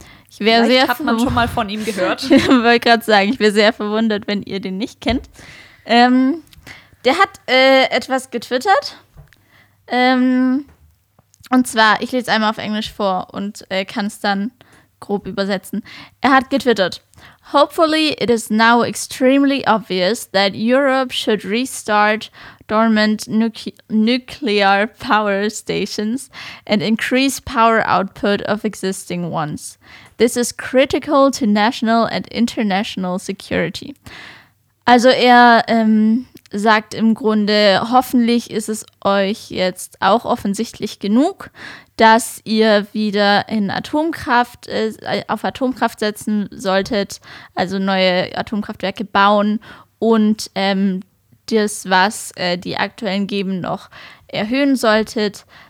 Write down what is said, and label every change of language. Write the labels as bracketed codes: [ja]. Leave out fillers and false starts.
[de] Ich wäre sehr hat man schon mal von ihm gehört. Ich wollte gerade sagen, ich wäre sehr verwundert, wenn ihr den nicht kennt. Der hat etwas getwittert. Und zwar, ich lese einmal auf Englisch vor und kann es dann grob übersetzen. Er hat getwittert: [en] "Hopefully it is now extremely obvious that Europe should restart dormant nuclear power stations and increase power output of existing ones. This is critical to national and international security." [de] Also er sagt im Grunde, hoffentlich ist es euch jetzt auch offensichtlich genug, dass ihr wieder in Atomkraft auf Atomkraft setzen solltet, also neue Atomkraftwerke bauen und das, was die aktuellen geben, noch erhöhen solltet,